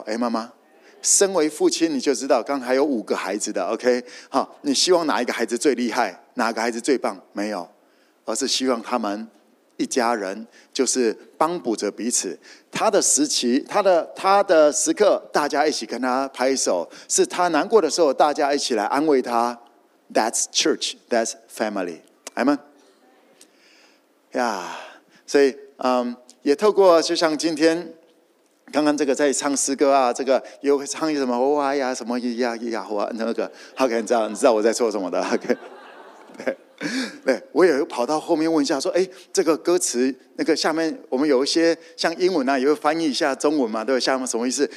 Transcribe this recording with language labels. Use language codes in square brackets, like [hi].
[zh] 哎，妈妈，身为父亲你就知道，刚才有五个孩子的 OK， 好，你希望哪一个孩子最厉害，哪个孩子最棒？没有，而是希望他们一家人就是帮补着彼此。他的时期，他的时刻，大家一起跟他拍手，是他难过的时候大家一起来安慰他。 [en] That's church, that's family. Amen、yeah。 [zh] 所以也透过就像今天刚刚这个在唱诗歌啊，这个又唱什么哇呀什么呀呀哇那个 OK， 你知道我在说什么的 OK。对，我也跑到后面问一下说，哎，这个歌词那个下面我们有一些像英文啊，也会翻译一下中文嘛，对，下面什么意思？